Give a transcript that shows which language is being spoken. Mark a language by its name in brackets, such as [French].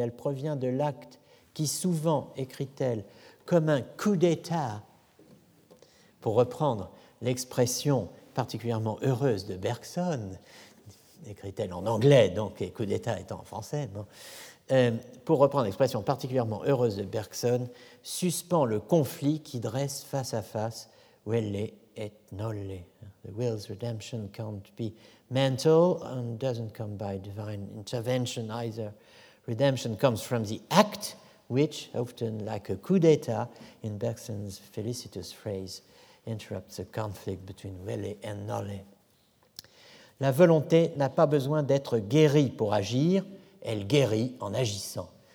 [French] Elle provient de l'acte qui souvent, écrit-elle, comme un coup d'État, pour reprendre l'expression particulièrement heureuse de Bergson, écrit-elle en anglais, donc et coup d'État étant en français, non, pour reprendre l'expression particulièrement heureuse de Bergson, suspend le conflit qui dresse face à face Welle et Nolle. [English] The will's redemption can't be mental and doesn't come by divine intervention either. Redemption comes from the act, which often, like a coup d'état, in Bergson's felicitous phrase, interrupts the conflict between Welle and Nolle. [French] La volonté n'a pas besoin d'être guérie pour agir, elle guérit en agissant.